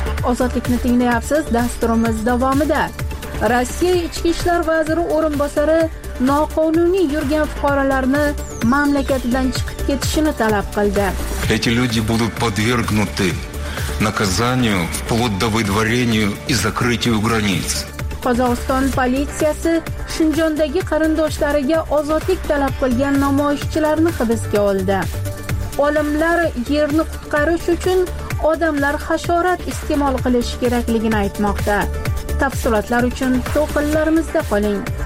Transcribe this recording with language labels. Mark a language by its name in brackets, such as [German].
[Uzbek] Ozodlikni tinglayapsiz, dasturimiz davomida. Rossiya ichki ishlar vaziri o'rinbosari noqonuniy yurgan fuqarolarni mamlakatidan chiqib ketishini talab qildi. [Russian] Эти люди будут подвергнуты наказанию вплоть до выдворения и закрытию границ. [Uzbek] Qozog'iston politsiyasi Shinjondagi qarindoshlariga ozodlik talab qilgan namoyishchilarni hibsga oldi. Olimlar yerni qutqarish uchun odamlar hasharot iste'mol qilish kerakligini aytmoqda. Tafsilotlar uchun to'qinlarimizda qoling.